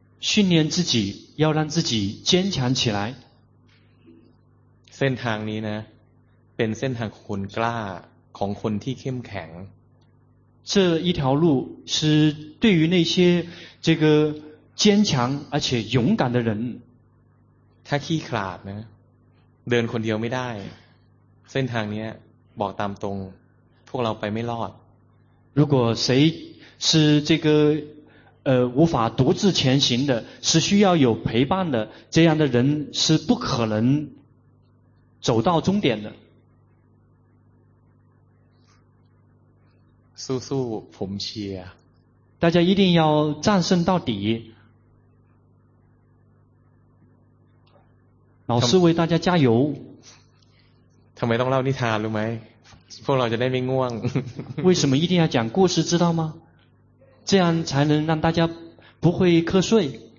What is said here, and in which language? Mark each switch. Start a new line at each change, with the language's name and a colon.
Chinese: 训练自己要让自己坚强起来
Thai: เส้นทางนี้นะเป็นเส้นทางของคนกล้าของคนที่เข้มแข็ง
Chinese: 这一条路是对于那些这个坚强而且勇敢的人
Thai: ถ้าขี้ขลาดนะเดินคนเดียวไม่ได้เส้นทางนี้บอกตามตรงพวกเราไปไม่รอด
Chinese: 如果谁是这个无法独自前行的是需要有陪伴的这样的人是不可能走到终点的
Thai: สู้ๆผมเชียร์
Chinese: 大家一定要战胜到底老师为大家加油
Thai: ทำไมต้องเล่านิทานรู้ไหมพวกเราจะได้ไม่ง่วง
Chinese: 为什么一定要讲故事知道吗这样才能让大家不会瞌睡